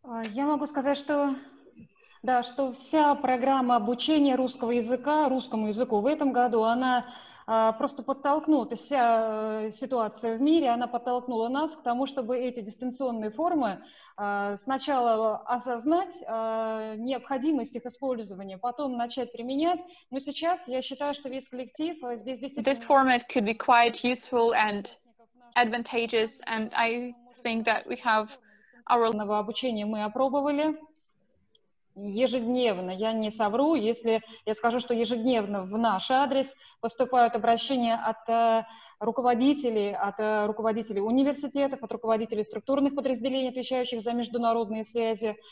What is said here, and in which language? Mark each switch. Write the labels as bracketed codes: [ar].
[ru] Я могу сказать, что да, что вся программа обучения русского языка, русскому языку в этом году, она просто подтолкнула, вся ситуация в мире, она подтолкнула нас к тому, чтобы эти дистанционные формы сначала осознать необходимость их использования, потом начать применять. Но сейчас я считаю, что весь коллектив здесь действительно... [en] This format could be quite useful and advantageous, and I think that we have our... [ru] ...обучение мы опробовали. Ежедневно, я не совру, если я скажу, что ежедневно в наш адрес поступают обращения от руководителей, от руководителей университетов, от руководителей структурных подразделений, отвечающих за международные связи.